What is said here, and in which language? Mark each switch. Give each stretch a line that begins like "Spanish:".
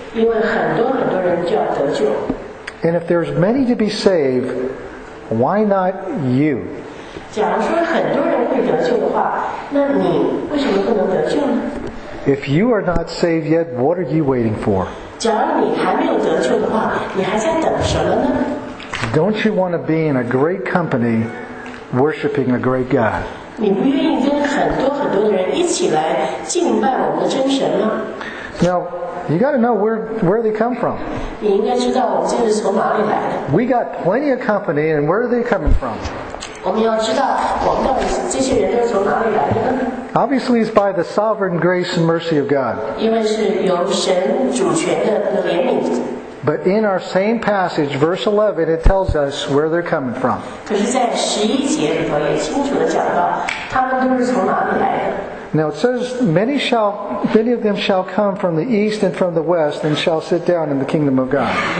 English: And if there's many to be saved, why not you? If you are not saved yet, what are you waiting for?
Chinese: 假如你还没有得救的话，你还在等什么呢？
English: Don't you want to be in a great company worshiping a great God.
Chinese: 你不愿意跟很多很多人一起来敬拜我们的真神吗？
English: Now, you got to know where they come from.
Chinese: 你应该知道我们这是从哪里来的。
English: We got plenty of company, and where are they coming from?
Chinese: 我们要知道我们到底是这些人都从哪里来的呢？
English: Obviously, it's by the sovereign grace and mercy of God. But in our same passage, verse 11, it tells us where they're coming from. Now it says, many of them shall come from the east and from the west and shall sit down in the kingdom of God.